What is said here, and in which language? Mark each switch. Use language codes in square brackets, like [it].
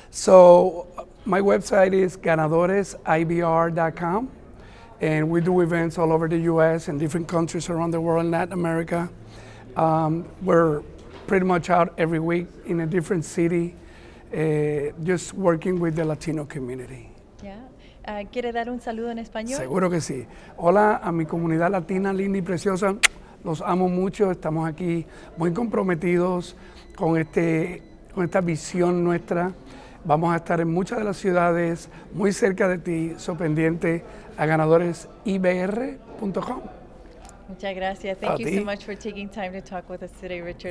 [en] So my website is ganadoresibr.com. And we do events all over the U.S. and different countries around the world in Latin America. We're pretty much out every week in a different city, just working with the Latino community. [es] Yeah. ¿Quiere dar un saludo en español? Seguro que sí. Hola a mi comunidad latina, linda y preciosa. Los amo mucho. Estamos aquí muy comprometidos con con esta visión nuestra. Vamos a estar en muchas de las ciudades, muy cerca de ti, so pendiente a ganadoresibr.com. Muchas gracias. [en] Thank you so much for taking time to talk with us today, Richard.